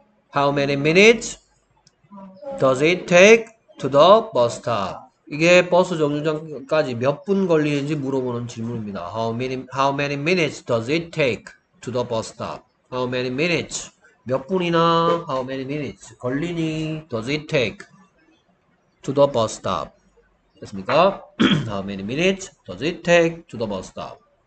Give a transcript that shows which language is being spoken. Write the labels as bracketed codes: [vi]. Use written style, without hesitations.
[en] How many minutes does it take to the bus stop? [ko] 이게 버스 정류장까지 몇 분 걸리는지 물어보는 질문입니다. [en] How many minutes does it take to the bus stop? How many minutes? [ko] 몇 분이나 [en] how many minutes [ko] 걸리니 [en] does it take to the bus stop? [ko] 됐습니까? [en] How many minutes does it take to the bus stop?